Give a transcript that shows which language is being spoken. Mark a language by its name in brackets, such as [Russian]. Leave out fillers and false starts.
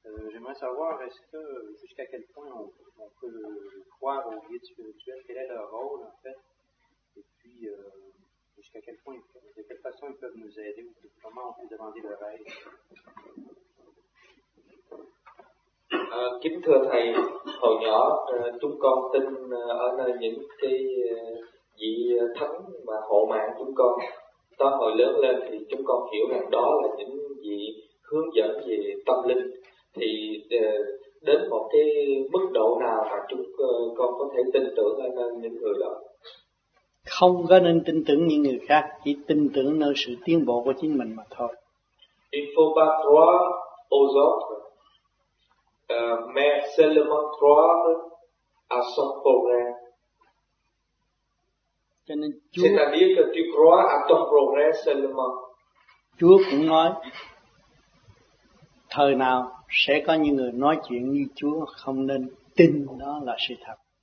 [French] J'aimerais savoir est-ce que jusqu'à quel point on peut croire aux guides spirituels, quel est leur rôle en fait, et puis jusqu'à quel point, de quelle façon ils peuvent nous aider, ou comment on peut demander leur aide. [Vietnamese] Kính thưa thầy, hồi nhỏ chúng con tin ở nơi những cái vị thánh mà hộ mạng chúng con. Sau hồi lớn lên thì chúng con hiểu rằng đó là những vị hướng dẫn về tâm linh. Thì đến một cái mức độ nào mà chúng con có thể tin tưởng lên những người đó? Không có nên tin tưởng những người khác, chỉ tin tưởng nơi sự tiến bộ của chính mình mà thôi. [French] Il faut pas croire aux autres, mais seulement croire à son progrès. [Vietnamese] Cho nên [French] c'est-à-dire que tu crois à ton progrès seulement. [Vietnamese] Chúa cũng nói, thời nào sẽ có những người nói chuyện như Chúa, không nên tin đó là sự thật.